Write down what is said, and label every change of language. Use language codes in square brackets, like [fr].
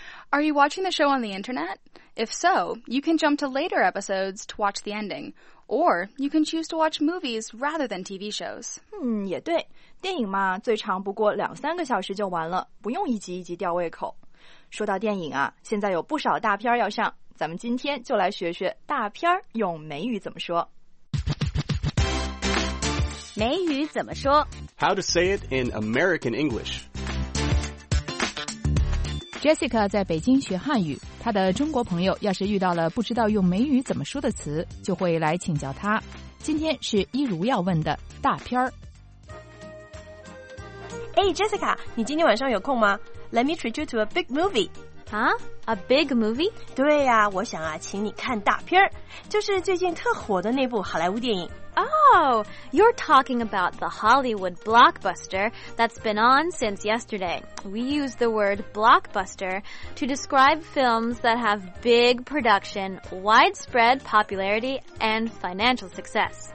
[en] Are you watching the show on the internet? If so, you can jump to later episodes to watch the ending, or you can choose to watch movies rather than TV shows. [zh] 也对，电影嘛，最长不过两三个小时就完了，不用一集一集吊胃口。说到电影啊，现在有不少大片要上，咱们今天就来学学大片用美语怎么说。美语怎么说？ [en] How to say it in American English. [zh] Jessica 在北京学汉语，她的中国朋友要是遇到了不知道用美语怎么说的词，就会来请教她。今天是一如要问的大片。 Hey Jessica, 你今天晚上有空吗？ [en] Let me treat you to a big movie. Huh? A big movie? [zh] 对呀，我想啊，请你看大片，就是最近特火的那部好莱坞电影。 [en] Oh, you're talking about the Hollywood blockbuster that's been on since yesterday. We use the word blockbuster to describe films that have big production, widespread popularity, and financial success.